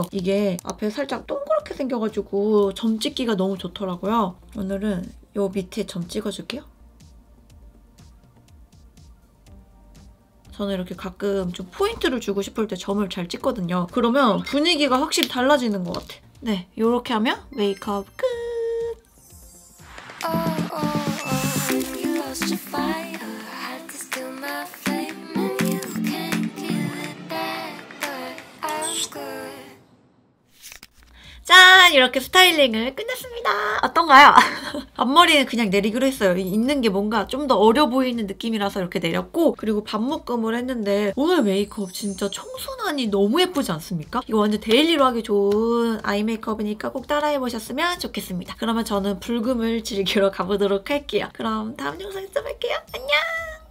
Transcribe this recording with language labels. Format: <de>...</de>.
<ko>이게 앞에 살짝 동그랗게 생겨가지고 점 찍기가 너무 좋더라고요. 오늘은 요 밑에 점 찍어줄게요. 저는 이렇게 가끔 좀 포인트를 주고 싶을 때 점을 잘 찍거든요. 그러면 분위기가 확실히 달라지는 것 같아. 네, 이렇게 하면 메이크업 끝!</ko> <en>Oh, oh, oh, you lost your fire. Had to steal my flame, and you can't give it back. But I'm good.</en> <ko>짠! 이렇게 스타일링을 끝냈습니다. 어떤가요? 앞머리는 그냥 내리기로 했어요. 있는 게 뭔가 좀 더 어려 보이는 느낌이라서 이렇게 내렸고 그리고 반묶음을 했는데 오늘 메이크업 진짜 청순하니 너무 예쁘지 않습니까? 이거 완전 데일리로 하기 좋은 아이 메이크업이니까 꼭 따라해보셨으면 좋겠습니다. 그러면 저는 불금을 즐기러 가보도록 할게요. 그럼 다음 영상에서 뵐게요. 안녕!</ko>